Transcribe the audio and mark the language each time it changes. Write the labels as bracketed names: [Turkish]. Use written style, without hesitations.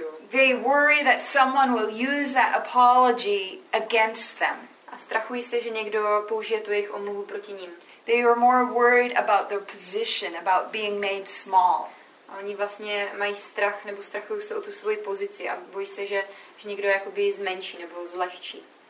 [English] They worry that someone will use that apology against them. [Czech] A strachují se, že někdo použije tu jejich omluvu proti ním. [English] They are more worried about their position, about being made small. [Czech] A oni vlastně mají strach nebo strachují se o tu svoji pozici a bojí se, že někdo jakoby zmenší nebo zlehčí.